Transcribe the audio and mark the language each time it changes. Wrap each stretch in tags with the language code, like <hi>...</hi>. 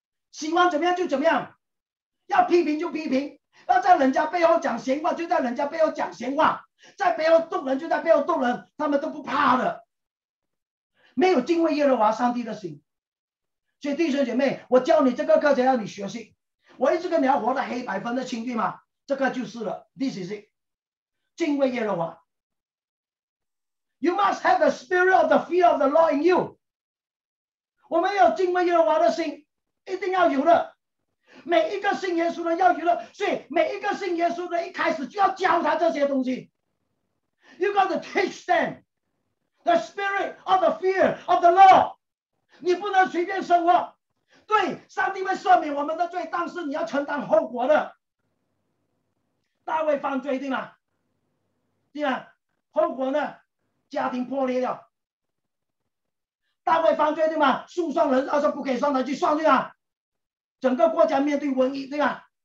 <zh>喜欢怎么样就怎么样，要批评就批评，要在人家背后讲闲话就在人家背后讲闲话，在背后动人就在背后动人，他们都不怕的，没有敬畏耶和华上帝的心。所以弟兄姐妹，我教你这个课程要你学习，我一直跟你要活得黑白分的清对吗？这个就是了，</zh> <en>This is it，</en> <zh>敬畏耶和华。</zh> <en>You must have the spirit of the fear of the Lord in you.</en> <zh>我们要敬畏耶和华的心，一定要有的。每一个信耶稣的要有的，所以每一个信耶稣的一开始就要教他这些东西。</zh> <en>You got to teach them the spirit of the fear of the Lord.</en> <zh>你不能随便生活。对，上帝会赦免我们的罪，但是你要承担后果的。大卫犯罪，对吗？对吗？后果呢？家庭破裂了，大卫犯罪对吗？诉讼人他说不可以上台去算对吗？整个国家面对瘟疫对吗？</zh>